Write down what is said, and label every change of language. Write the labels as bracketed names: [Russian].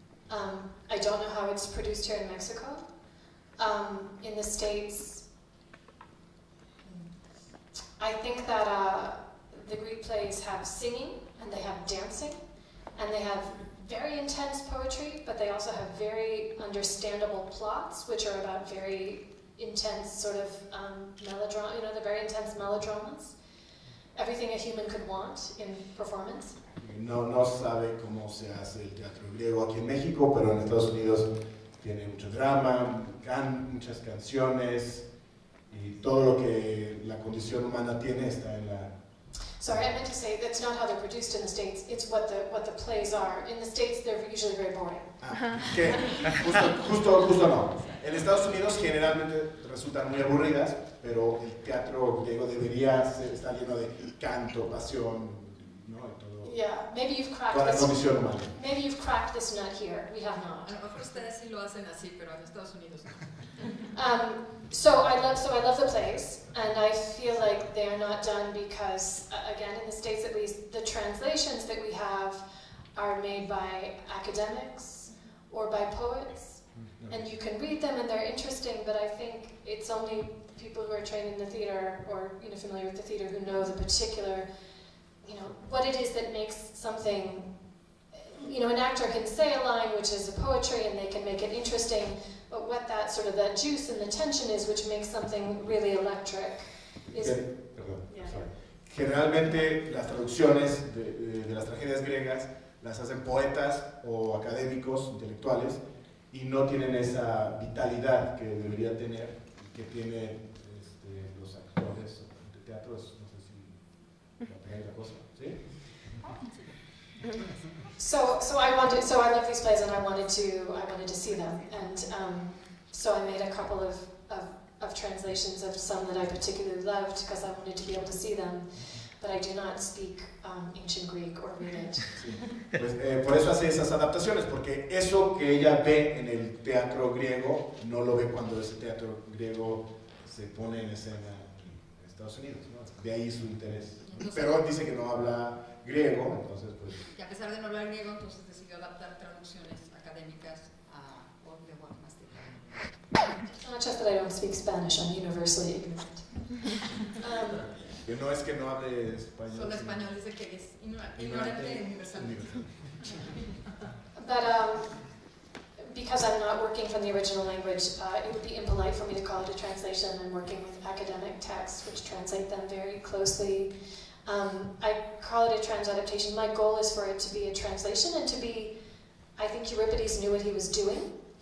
[English] I don't know how it's produced here in Mexico. In the States, I think that the Greek plays have singing, and they have dancing, and they have very intense poetry, but they also have very understandable plots, which are about very intense sort of melodrama, you know, the very intense melodramas. Everything a human could want in performance. [Spanish] No sabe cómo se hace el teatro griego aquí en México, pero en Estados Unidos tiene mucho drama, muchas canciones, y todo lo que la condición humana tiene está en la... [English] Sorry, I meant to say that's not how they're produced in the States, it's what the plays are. In the States, they're usually very boring. [Spanish] ¿Qué? Justo no. En Estados Unidos generalmente resultan muy aburridas, pero el teatro griego debería estar lleno de canto, pasión, ¿no? Y todo. [English] Yeah, maybe you've cracked this. Maybe you've cracked this nut here. We have not. [Spanish] A lo mejor ustedes sí lo hacen así, pero en Estados Unidos no. [English] So I love the plays, and I feel like they are not done because, again, in the States at least, the translations that we have are made by academics or by poets, and you can read them and they're interesting, but I think it's only people who are trained in the theater or, you know, familiar with the theater who know the particular, you know, what it is that makes something, you know, an actor can say a line which is a poetry and they can make it interesting, but what that sort of that juice and the tension is which makes something really electric is... [Spanish] Generalmente las traducciones de las tragedias griegas las hacen poetas o académicos, intelectuales, y no tienen esa vitalidad que debería tener, que tiene los actores de teatro, no sé si la primera cosa, ¿sí? [English] So I love these plays and I wanted to see them, and so I made a couple of translations of some that I particularly loved because I wanted to be able to see them. but I do not speak ancient Greek or read it. [Spanish] Pues, por eso hace esas adaptaciones, porque eso que ella ve en el teatro griego no lo ve cuando ese teatro griego se pone en escena en Estados Unidos, ¿no? De ahí su interés. Pero dice que no habla griego, entonces pues. Y a pesar de no hablar griego, entonces decidió adaptar traducciones académicas a [English] the one master. Not just that I don't speak Spanish, I'm universally ignorant. [Spanish] Que no es que no hable español. Solo español dice que es ignorante y universal. [English] But because I'm not working from the original language, it would be impolite for me to call it a translation. I'm working with academic texts, which translate them very closely. I call it a transadaptation. My goal is for it to be a translation and to be, I think Euripides knew what he was doing.